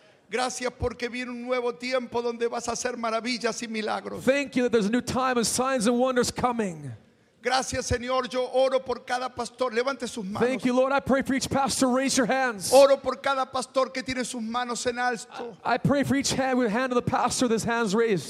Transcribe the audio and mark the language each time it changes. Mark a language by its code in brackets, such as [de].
[es] Gracias porque viene un nuevo tiempo donde vas a hacer maravillas y milagros. [en] Thank you that there's a new time of signs and wonders coming. [es] Gracias, Señor. Yo oro por cada pastor. Levante sus manos. [en] Thank you, Lord. I pray for each pastor. Raise your hands. [es] Oro por cada pastor que tiene sus manos en alto. [en] I pray for each hand with the hand of the pastor, this hands raised.